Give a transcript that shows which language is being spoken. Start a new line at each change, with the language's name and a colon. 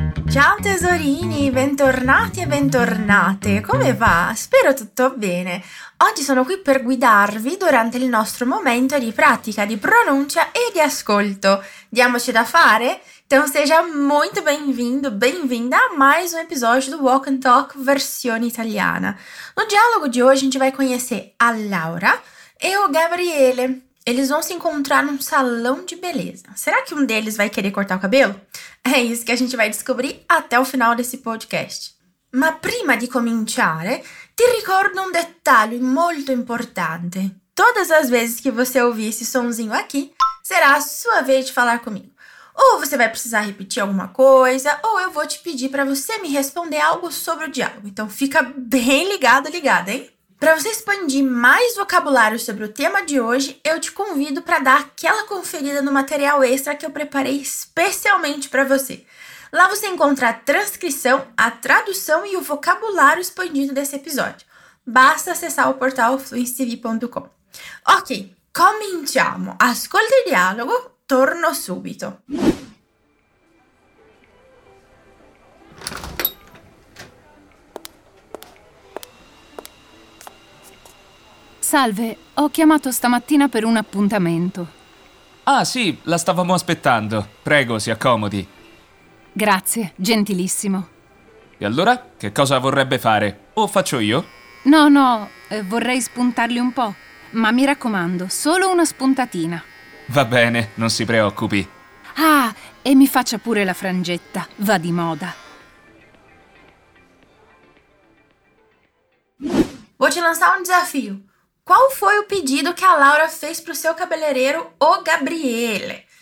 Italian: Ciao tesorini, bentornati e bentornate. Come va? Spero tutto bene. Oggi sono qui per guidarvi durante il nostro momento di pratica di pronuncia e di ascolto. Diamoci da fare?
Portuguese: Então seja muito bem-vindo, bem-vinda a mais um episódio do Walk and Talk
Italian: versione italiana.
Portuguese: No dialogo de hoje a gente vai conhecer a Laura e o Gabriele. Eles vão se encontrar num salão de beleza. Será que um deles vai querer cortar o cabelo? É isso que a gente vai descobrir até o final desse podcast.
Italian: Ma prima di cominciare, ti ricordo um dettaglio molto importante.
Portuguese: Todas as vezes que você ouvir esse sonzinho aqui, será a sua vez de falar comigo. Ou você vai precisar repetir alguma coisa, ou eu vou te pedir para você me responder algo sobre o diálogo. Então fica bem ligado, ligada, hein? Para você expandir mais vocabulário sobre o tema de hoje, eu te convido para dar aquela conferida no material extra que eu preparei especialmente para você. Lá você encontra a transcrição, a tradução e o vocabulário expandido desse episódio. Basta acessar o portal fluencytv.com. Ok,
Italian: cominciamo. Ascolta il dialogo, torno subito. Salve, ho chiamato stamattina per un appuntamento. Ah sì, la stavamo aspettando. Prego, si accomodi. Grazie, gentilissimo. E allora, che cosa vorrebbe fare? O faccio io? No, vorrei spuntarli un po'. Ma mi raccomando, solo una spuntatina. Va bene, non si preoccupi. Ah, e mi faccia pure la frangetta, va di moda. Voglio lanciare un
Portuguese: desafio. Qual foi o pedido que a Laura fez pro seu cabeleireiro, o Gabriele?